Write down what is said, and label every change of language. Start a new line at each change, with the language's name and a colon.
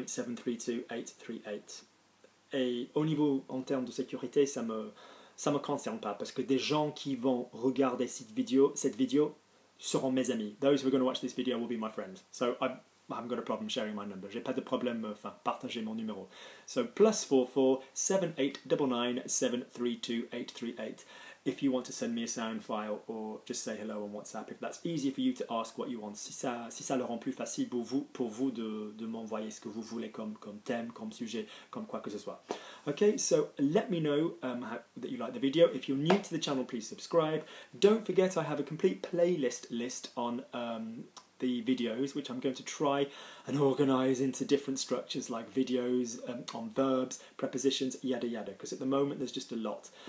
French: +44 7899 732 838. Et au niveau en termes de sécurité, ça me concerne pas parce que des gens qui vont regarder cette vidéo seront mes amis.
English: Those who are going to watch this video will be my friends. So I haven't got a problem sharing my number.
French: J'ai pas de problème, partager mon numéro.
English: So +44 7899 732 838. If you want to send me a sound file or just say hello on WhatsApp, if that's easier for you to ask what you want.
French: Si ça le rend plus facile pour vous de m'envoyer ce que vous voulez comme thème, comme sujet, comme quoi que ce soit.
English: Okay, so let me know that you like the video. If you're new to the channel, please subscribe. Don't forget I have a complete playlist list on the videos, which I'm going to try and organise into different structures like videos on verbs, prepositions, yada yada, because at the moment there's just a lot.